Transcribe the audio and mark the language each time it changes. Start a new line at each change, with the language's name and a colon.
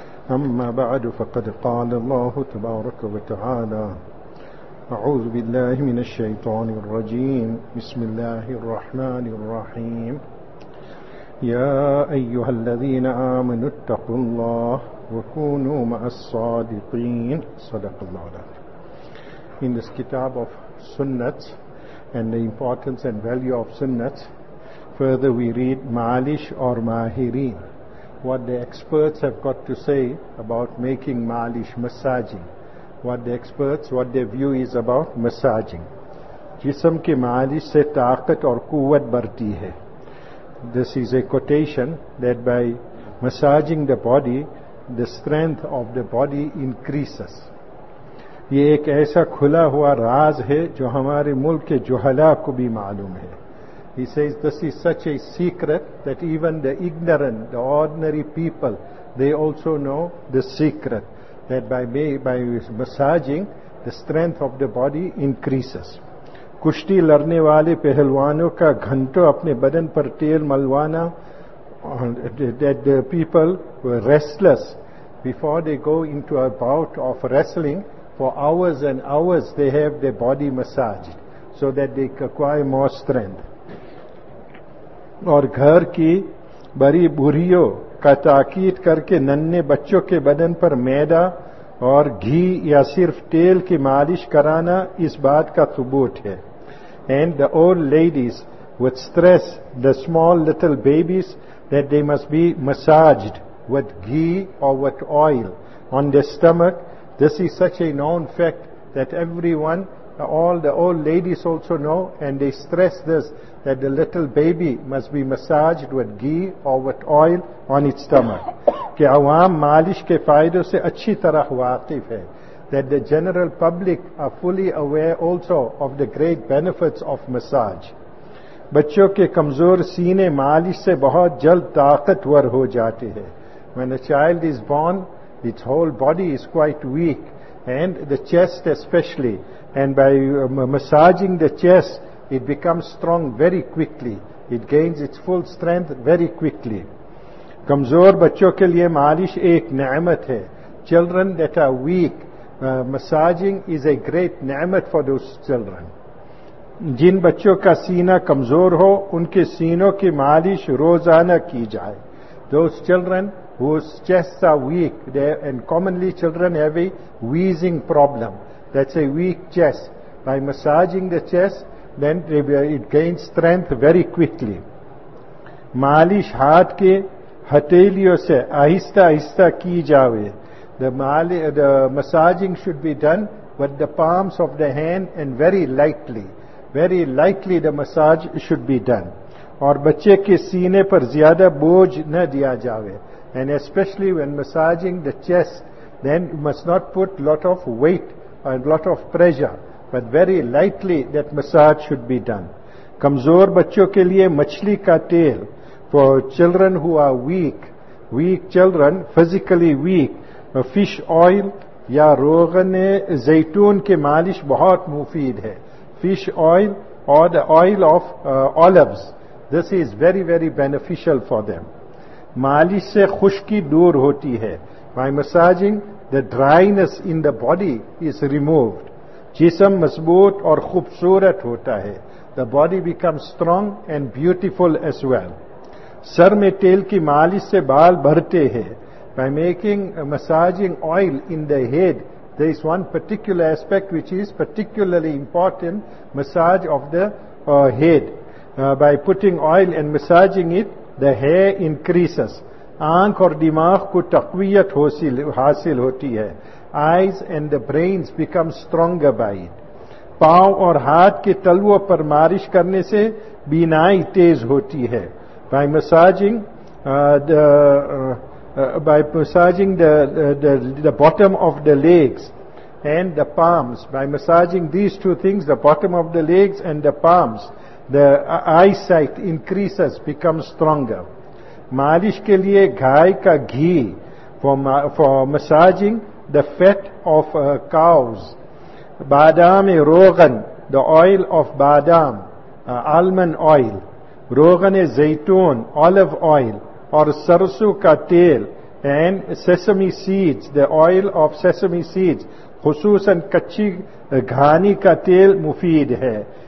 Arabic: أما بعد، فقد قال الله تبارك وتعالى: أعوذ بالله من الشيطان الرجيم، بسم الله الرحمن الرحيم: يا أيها الذين آمنوا اتقوا الله وكونوا مع الصادقين. صدق الله العظيم.
English: In this kitab of sunnat and the importance and value of sunnat, further we read maalish or maahireen, what the experts have got to say about making maalish, massaging. What the experts, what their view is about massaging.
Urdu: Jism ki maalish se taqat aur quwwat barhti hai.
English: This is a quotation that by massaging the body, the strength of the body increases.
Urdu: یہ ایک ایسا کھلا ہوا راز ہے جو ہمارے ملک کے جہلا کو بھی معلوم ہے.
English: He says this is such a secret that even the ignorant, the ordinary people, they also know the secret that by massaging, the strength of the body increases.
Urdu: کشتی لڑنے والے پہلوانوں کا گھنٹوں اپنے بدن پر تیل ملوانا,
English: that the people were restless before they go into a bout of wrestling. For hours and hours they have their body massaged so that they acquire more strength.
Urdu: اور گھر کی بری بوریوں کا تاکید کر کے ننے بچوں کے بدن پر میدا اور گھی یا صرف تیل کی مالش کرانا اس بات کا ثبوت ہے.
English: And the old ladies would stress the small little babies that they must be massaged with ghee or with oil on their stomach. This is such a known fact that everyone, all the old ladies also know, and they stress this, that the little baby must be massaged with ghee or with oil on its stomach.
Urdu: کہ عوام مالش کے فائدوں سے اچھی طرح واقف ہے.
English: That the general public are fully aware also of the great benefits of massage.
Urdu: بچوں کے کمزور سینے مالش سے بہت جلد طاقتور ہو جاتے ہیں.
English: When a child is born, its whole body is quite weak, and the chest especially. And by massaging the chest, it becomes strong very quickly. It gains its full strength very quickly.
Urdu: کمزور بچوں کے لیے مالش ایک نعمت ہے.
English: Children that are weak, massaging is a great نعمت for those children.
Urdu: جن بچوں کا سینہ کمزور ہو, ان کے سینوں کی مالش روزانہ کی جائے.
English: Those children whose chests are weak, and commonly children have a wheezing problem, that's a weak chest. By massaging the chest, then it gains strength very quickly.
Urdu: مالش ہاتھ کے ہتھیلیوں سے آہستہ آہستہ کی جاوے.
English: The massaging should be done with the palms of the hand and very lightly. Very lightly the massage should be done.
Urdu: اور بچے کے سینے پر زیادہ بوجھ نہ دیا جاوے.
English: And especially when massaging the chest, then you must not put lot of weight and lot of pressure, but very lightly that massage should be done.
Urdu: کمزور بچوں کے لیے مچھلی کا تیل.
English: For children who are weak children, physically weak, a fish oil
Urdu: یا روغن زیتون کے مالش بہت مفید ہے.
English: Fish oil or the oil of olives, this is very very beneficial for them.
Urdu: مالش سے خشکی دور ہوتی ہے.
English: By massaging, the dryness in the body is removed.
Urdu: جسم مضبوط اور خوبصورت ہوتا ہے.
English: The body becomes strong and beautiful as well.
Urdu: سر میں تیل کی مالش سے بال بڑھتے ہیں.
English: By making massaging oil in the head, there is one particular aspect which is particularly important, massage of the head. By putting oil and massaging it, the hair increases.
Urdu: آنکھ اور دماغ کو تقویت حاصل ہوتی ہے.
English: Eyes and the brains become stronger by it.
Urdu: پاؤں اور ہاتھ کے تلووں پر مارش کرنے سے بینائی تیز ہوتی ہے.
English: By massaging the bottom of the legs and the palms, by massaging these two things, the bottom of the legs and the palms, the eyesight increases, becomes stronger.
Urdu: مالش کے لیے گائے کا گھی.
English: For massaging, the fat of cows. بادام روغن, the oil of badam.
Urdu: Almond oil, روغن زیتون آلو oil, اور سرسو کا تیل،
English: and sesame seeds, the oil of sesame seeds,
Urdu: خصوصاً کچی گھانی کا تیل مفید ہے.